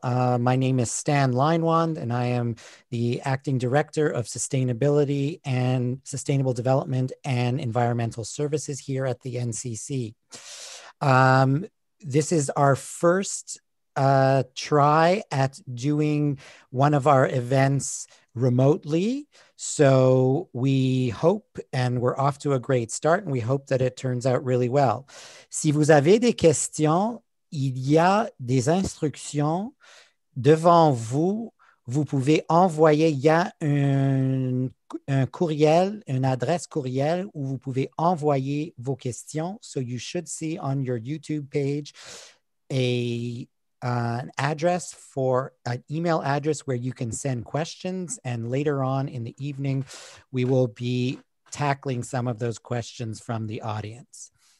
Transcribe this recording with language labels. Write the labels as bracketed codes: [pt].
[en] My name is Stan Leinwand, and I am the Acting Director of Sustainability and Sustainable Development and Environmental Services here at the NCC. This is our first try at doing one of our events remotely. So we hope, and we're off to a great start, and we hope that it turns out really well. [fr] Si vous avez des questions, il y a des instructions devant vous. Vous pouvez envoyer, il y a un courriel, une adresse courriel où vous pouvez envoyer vos questions. [en] So you should see on your YouTube page an address for an email address where you can send questions. And later on in the evening, we will be tackling some of those questions from the audience.